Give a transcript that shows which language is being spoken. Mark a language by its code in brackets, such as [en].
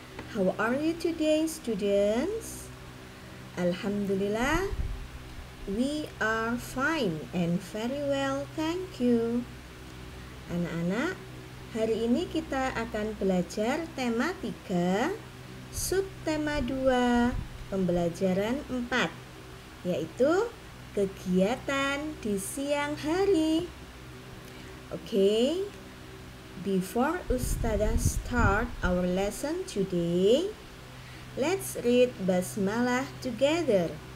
[en] How are you today, students? Alhamdulillah, we are fine and very well, thank you. [id] Anak-anak, hari ini kita akan belajar tema 3, subtema 2, pembelajaran 4, yaitu kegiatan di siang hari. [en] Okay, before Ustada start our lesson today, let's read basmalah together.